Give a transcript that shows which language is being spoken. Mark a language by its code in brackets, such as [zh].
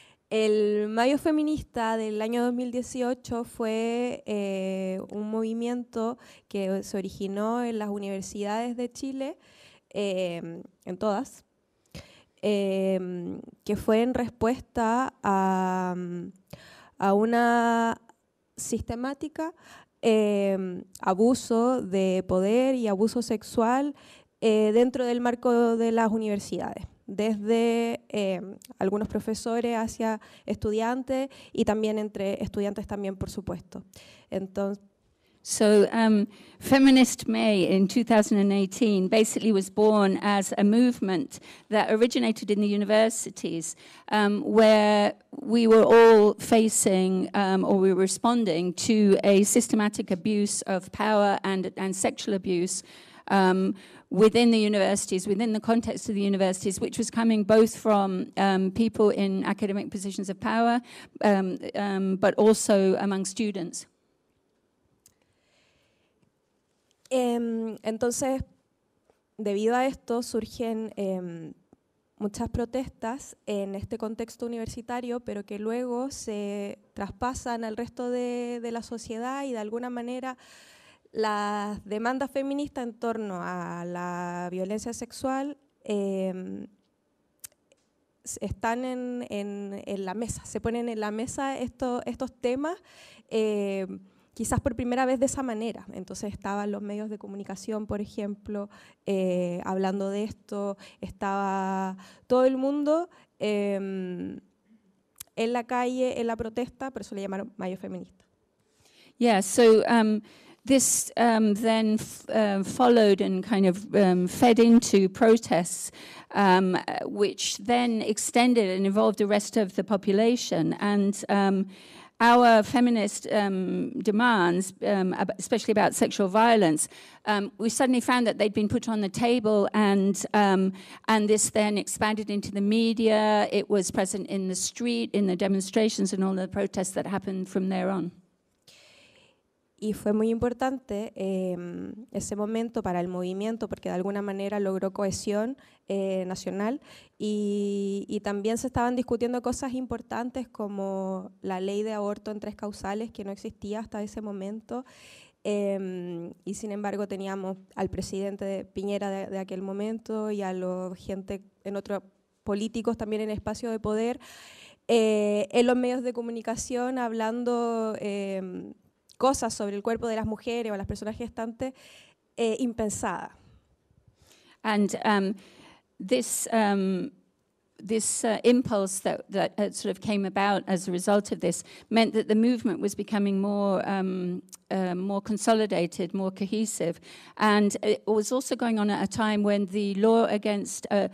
[es] El Mayo Feminista del año 2018 fue un movimiento que se originó en las universidades de Chile, en todas, que fue en respuesta a una sistemática abuso de poder y abuso sexual dentro del marco de las universidades, desde algunos profesores hacia estudiantes y también entre estudiantes también, por supuesto. Entonces, [en] so Feminist May in 2018 basically was born as a movement that originated in the universities where we were all facing or we were responding to a systematic abuse of power and sexual abuse within the universities, within the context of the universities, which was coming both from people in academic positions of power but also among students. [es] Entonces, debido a esto, surgen muchas protestas en este contexto universitario, pero que luego se traspasan al resto de la sociedad y de alguna manera las demandas feministas en torno a la violencia sexual están en la mesa, se ponen en la mesa estos temas. Quizás por primera vez de esa manera. Entonces estaban los medios de comunicación, por ejemplo, hablando de esto, estaba todo el mundo en la calle, en la protesta, por eso le llamaron Mayo Feminista. [en] Yeah, so this then followed and kind of fed into protests, which then extended and involved the rest of the population. And our feminist demands, especially about sexual violence, we suddenly found that they'd been put on the table, and this then expanded into the media. It was present in the street, in the demonstrations, and all the protests that happened from there on. [es] Y fue muy importante ese momento para el movimiento porque de alguna manera logró cohesión nacional y también se estaban discutiendo cosas importantes como la ley de aborto en tres causales que no existía hasta ese momento y sin embargo teníamos al presidente Piñera de aquel momento y a la gente en otros políticos también en espacio de poder en los medios de comunicación hablando cosas sobre el cuerpo de las mujeres o las personas gestantes impensada. [en] And this impulse that sort of came about as a result of this meant that the movement was becoming more more consolidated, more cohesive, and it was also going on at a time when the law against